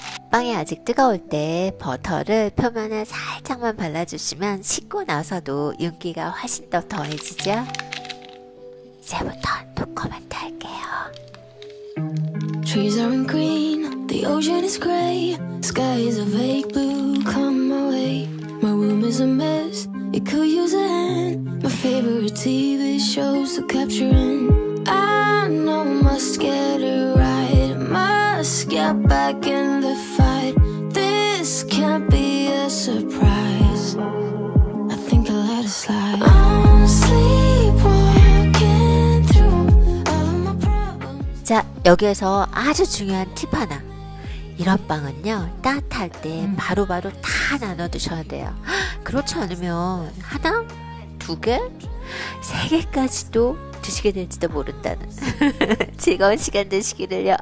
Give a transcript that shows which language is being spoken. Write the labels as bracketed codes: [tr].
[ko] 빵이 아직 뜨거울 때 버터를 표면에 살짝만 발라주시면 식고 나서도 윤기가 훨씬 더 더해지죠? 이제부터 노코멘트 할게요. [en] Trees are in green, the ocean is gray, sky is a vague blue, come my way. My room is a mess, it could use a hand. My favorite TV shows to capture in. I know must get it right, must get back in the fight. This can't be a surprise, I think I let it slide. I'm sleepwalking through all my problems. [ko] 자, 여기에서 아주 중요한 팁 하나. 이런 빵은요, 따뜻할 때 바로바로 다 나눠 드셔야 돼요. 그렇지 않으면 하나? 두 개? 세 개까지도 드시게 될지도 모른다는 즐거운 시간 되시기를요.